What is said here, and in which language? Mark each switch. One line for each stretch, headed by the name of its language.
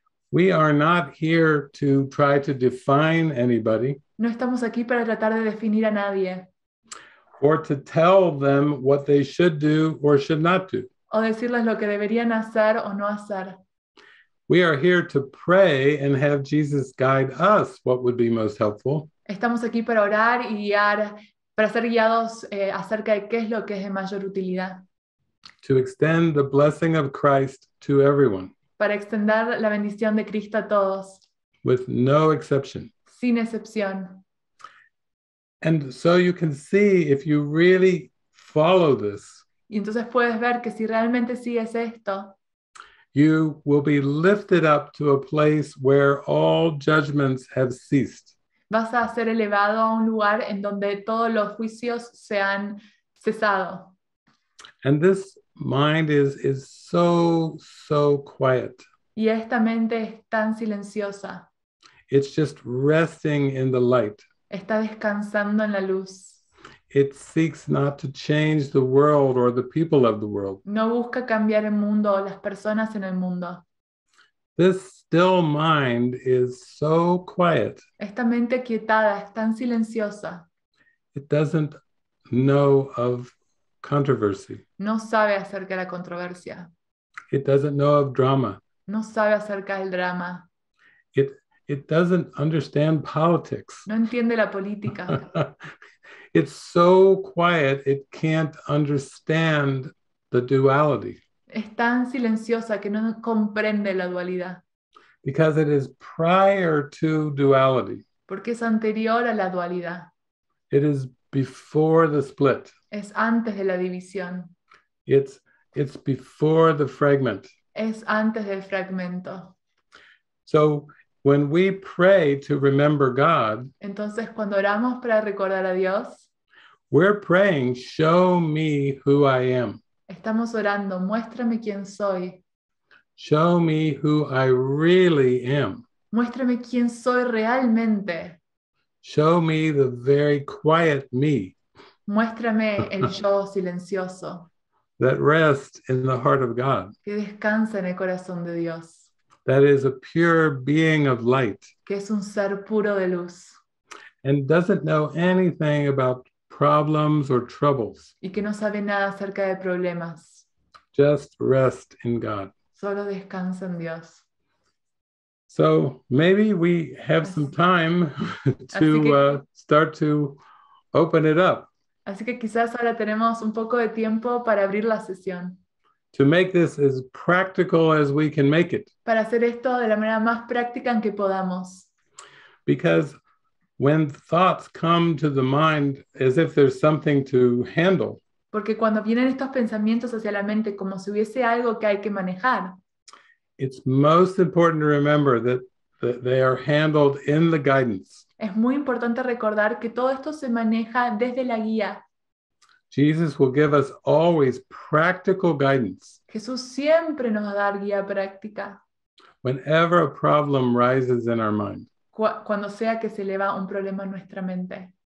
English: We are not here to try to define anybody.
Spanish: No estamos aquí para tratar de definir a nadie.
English: Or to tell them what they should do or should not do.
Spanish: O decirles lo que deberían hacer o no hacer.
English: We are here to pray and have Jesus guide us what would be most helpful.
Spanish: Estamos aquí para orar y guiar, para ser guiados acerca de qué es lo que es de mayor utilidad.
English: To extend the blessing of Christ to everyone.
Spanish: Para extender la bendición de Cristo a todos.
English: With no exception.
Spanish: sin excepción.
English: And so you can see if you really follow this.
Spanish: Y entonces puedes ver que si realmente sigues esto,
English: you will be lifted up to a place where all judgments have ceased.
Spanish: Vas a ser elevado a un lugar en donde todos los juicios se han cesado.
English: And this mind is so, so quiet.
Spanish: Y esta mente es tan silenciosa.
English: It's just resting in the light.
Spanish: Está descansando en la luz.
English: It seeks not to change the world or the people of the world.
Spanish: No busca cambiar el mundo o las personas en el mundo.
English: This still mind is so quiet.
Spanish: Esta mente quietada es tan silenciosa.
English: It doesn't know of controversy.
Spanish: No sabe acerca de la controversia.
English: It doesn't know of drama.
Spanish: No sabe acerca del drama.
English: It doesn't understand politics.
Spanish: No entiende la política.
English: It's so quiet it can't understand the duality.
Spanish: Es tan silenciosa que no comprende la dualidad.
English: Because it is prior to duality.
Spanish: Porque es anterior a la dualidad.
English: It is before the split.
Spanish: Es antes de la división.
English: It's before the fragment.
Spanish: Es antes del fragmento.
English: So when we pray to remember God,
Spanish: entonces cuando oramos para recordar a Dios,
English: we're praying, show me who I am.
Spanish: Estamos orando, muéstrame quién soy.
English: Show me who I really am.
Spanish: Muéstrame quién soy realmente.
English: Show me the very quiet me.
Spanish: Muéstrame el yo silencioso.
English: That rests in the heart of God.
Spanish: Que descansa en el corazón de Dios.
English: That is a pure being of light.
Spanish: Que es un ser puro de luz.
English: And doesn't know anything about problems or troubles.
Spanish: Y que no sabe nada acerca de problemas.
English: Just rest in God.
Spanish: Solo descansa en Dios.
English: So maybe we have some time to start to open it up.
Spanish: Así que quizás ahora tenemos un poco de tiempo para abrir la sesión.
English: To make this as practical as we can make it.
Spanish: Para hacer esto de la manera más práctica en que podamos.
English: Because when thoughts come to the mind as if there's something to handle.
Spanish: Porque cuando vienen estos pensamientos hacia la mente como si hubiese algo que hay que manejar.
English: It's most important to remember that they are handled in the guidance.
Spanish: Es muy importante recordar que todo esto se maneja desde la guía.
English: Jesus will give us always practical guidance.
Spanish: Jesús siempre nos va a dar guía práctica.
English: Whenever a problem rises in our mind.
Spanish: Cuando sea que se eleva un problema en nuestra mente.